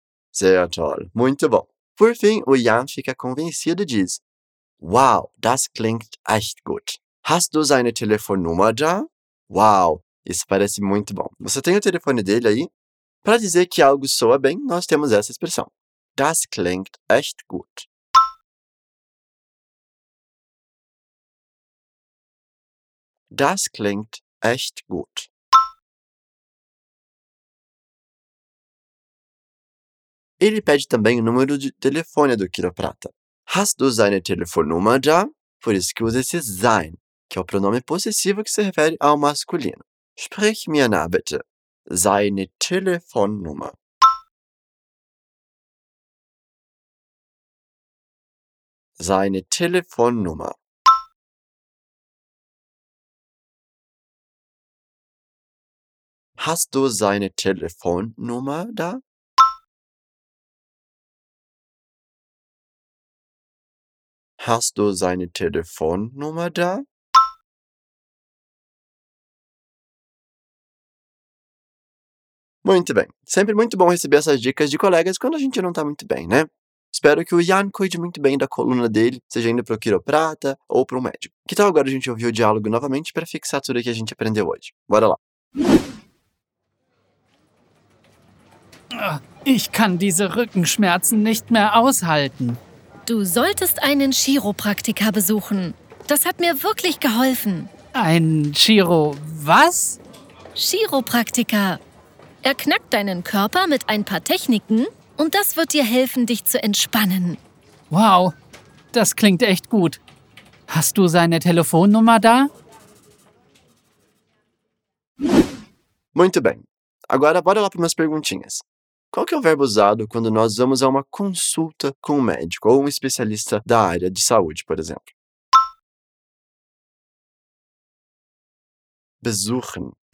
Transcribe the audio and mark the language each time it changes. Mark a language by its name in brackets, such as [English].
[German] Sehr toll. [Portuguese] Muito bom. Por fim, o Jan fica convencido e diz: [German] Wow, das klingt echt gut. Hast du seine Telefonnummer da? [Portuguese] Wow, isso parece muito bom. Você tem o telefone dele aí? Para dizer que algo soa bem, nós temos essa expressão. [German] Das klingt echt gut. Das klingt echt gut. [Portuguese] Ele pede também o número de telefone do quiroprata. [German] Hast du seine Telefonnummer da? [Portuguese] Por isso que usa esse sein, que é o pronome possessivo que se refere ao masculino. [German] Sprich mir na, bitte. Seine Telefonnummer. Seine Telefonnummer. Hast du seine Telefonnummer da? Hast du seine Telefonnummer da? [Portuguese] Muito bem. Sempre muito bom receber essas dicas de colegas quando a gente não está muito bem, né? Espero que o Jan cuide muito bem da coluna dele, seja indo para o quiroprata ou para um médico. Que tal agora a gente ouvir o diálogo novamente para fixar tudo o que a gente aprendeu hoje? Bora lá. [German] Ich kann diese Rückenschmerzen nicht mehr aushalten. Du solltest einen Chiropraktiker besuchen. Das hat mir wirklich geholfen. Ein Chiro... was? Chiropraktiker. Er knackt deinen Körper mit ein paar Techniken und das wird dir helfen, dich zu entspannen. Wow, das klingt echt gut. Hast du seine Telefonnummer da? [Portuguese] Muito bem. Agora bora lá para umas perguntinhas. Qual que é o verbo usado quando nós vamos a uma consulta com um médico ou um especialista da área de saúde, por exemplo? [German] Besuchen.